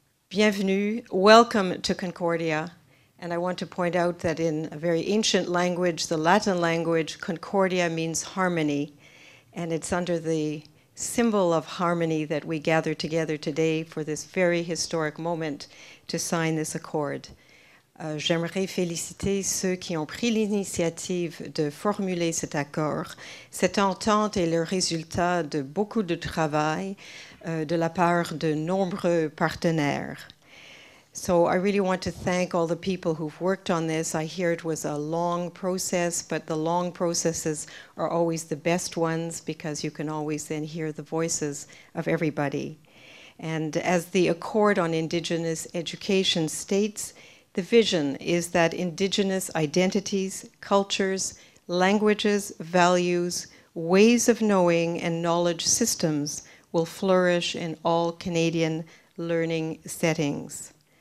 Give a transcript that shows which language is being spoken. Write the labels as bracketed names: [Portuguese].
[French] Bienvenue, [English] welcome to Concordia. And I want to point out that in a very ancient language, the Latin language, Concordia means harmony. And it's under the symbol of harmony that we gather together today for this very historic moment to sign this accord. [French] J'aimerais féliciter ceux qui ont pris l'initiative de formuler cet accord. Cette entente est le résultat de beaucoup de travail de la part de nombreux partenaires. [English] So I really want to thank all the people who've worked on this. I hear it was a long process, but the long processes are always the best ones because you can always then hear the voices of everybody. And as the Accord on Indigenous Education states, the vision is that Indigenous identities, cultures, languages, values, ways of knowing, and knowledge systems will flourish in all Canadian learning settings.